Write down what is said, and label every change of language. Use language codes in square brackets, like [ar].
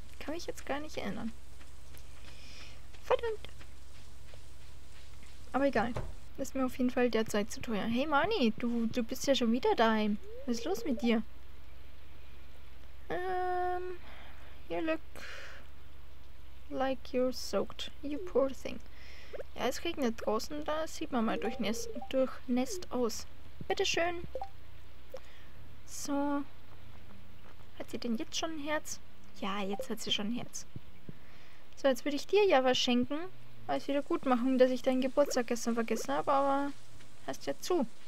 [de] Kann mich jetzt gar nicht erinnern. Verdammt. Aber egal. Ist mir auf jeden Fall derzeit zu teuer. Hey Mani, du bist ja schon wieder daheim. Was ist los mit dir? [en] You look like you're soaked. You poor thing. [de] Ja, es regnet draußen. Da sieht man mal durchnässt aus. Bitteschön. So. Hat sie denn jetzt schon ein Herz? Ja, jetzt hat sie schon ein Herz. So, jetzt würde ich dir ja was schenken. Als Wiedergutmachung, dass ich deinen Geburtstag gestern vergessen habe, aber hast ja zu.